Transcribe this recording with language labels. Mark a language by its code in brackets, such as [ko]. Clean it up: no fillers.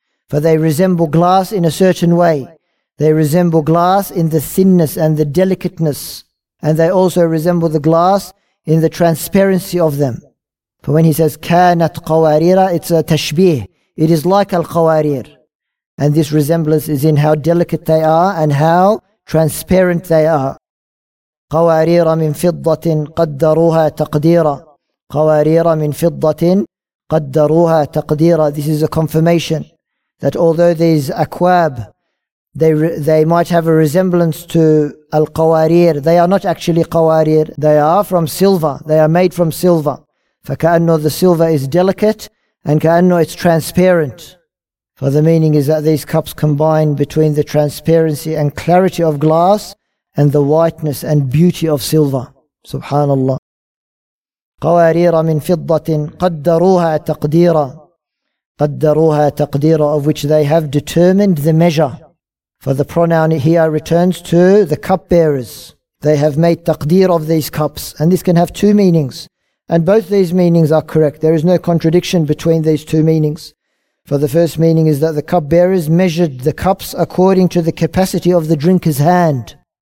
[en] For they resemble glass in a certain way. They resemble glass in the thinness and the delicateness. And they also resemble the glass in the transparency of them. For when he says [ar] كَانَتْ قَوَارِيرًا, [en] it's a tashbih. It is like al-qawarir. And this resemblance is in how delicate they are and how transparent they are. [ar] قوارير من فضة قدروها تقديرا. قوارير من فضة قدروها تقديرا. [en] This is a confirmation that although these akwab, they might have a resemblance to al-qawarir, they are not actually qawarir. They are from silver. They are made from silver. [ar] فكأنه [en] the silver is delicate and [ar] كأنه [en] it's transparent. For the meaning is that these cups combine between the transparency and clarity of glass and the whiteness and beauty of silver. Subhanallah. [ar] قوارير من فضة قدروها تقديرا. قدروها تقديرا, [en] of which they have determined the measure. For the pronoun here returns to the cup bearers. They have made taqdeer of these cups. And this can have two meanings. And both these meanings are correct. There is no contradiction between these two meanings. For the first meaning is that the cup bearers measured the cups according to the capacity of the drinker's hand.